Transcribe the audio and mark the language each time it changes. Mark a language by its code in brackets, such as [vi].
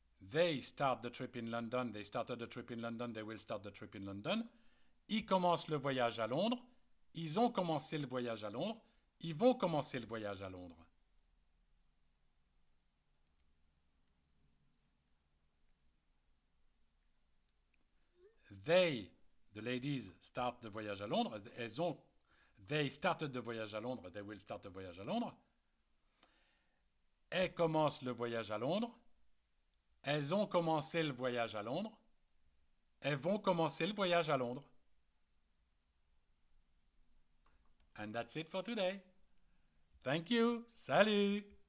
[en] They start the trip in London. They started the trip in London. They will start the trip in London. [fr] Ils commencent le voyage à Londres. Ils ont commencé le voyage à Londres. Ils vont commencer le voyage à Londres. [en] They, the ladies, start the voyage [fr] à Londres. Elles ont, [en] They started the voyage [fr] à Londres. [en] They will start the voyage à Londres. [fr] Elles commencent le voyage à Londres. Elles ont commencé le voyage à Londres. Elles vont commencer le voyage à Londres. [en] And that's it for today. Thank you. [fr] Salut.